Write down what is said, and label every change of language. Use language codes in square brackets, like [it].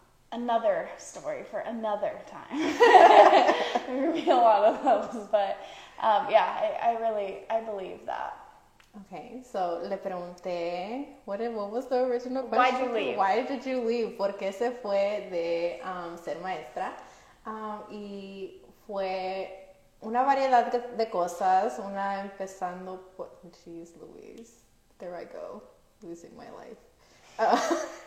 [en] Another story for another time. There will be a lot of those, but I believe that. Okay, so [es] le pregunté, [en] what was the original question? Why'd you leave? Why did you leave? [es] ¿Por qué se fue de ser maestra? Y fue una variedad de cosas, una empezando por... [en] Jeez Louise, there I go, losing my life.